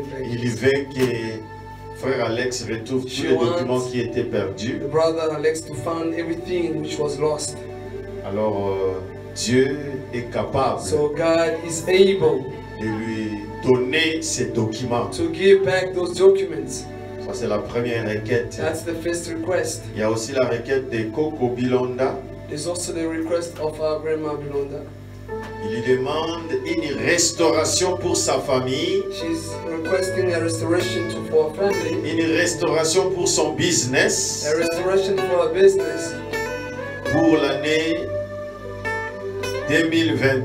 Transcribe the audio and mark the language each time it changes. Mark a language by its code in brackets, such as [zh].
[fr] Il veut que frère Alex retrouve tous les documents qui étaient perdus. [en] The brother Alex to find everything which was lost. [fr] Alors Dieu est capable. [en] So God is able [fr] de lui donner ces documents. [en] To give back those documents. [fr] Ça, c'est la première requête. [en] That's the first request. [fr] Il y a aussi la requête de Coco Bilonda. [en] There's also the request of our grandma Bilonda. [fr] Il lui demande une restauration pour sa famille. [en] She's requesting a restoration for her family. [fr] Une restauration pour son business. [en] A restoration for her business. [fr] Pour l'année 2023.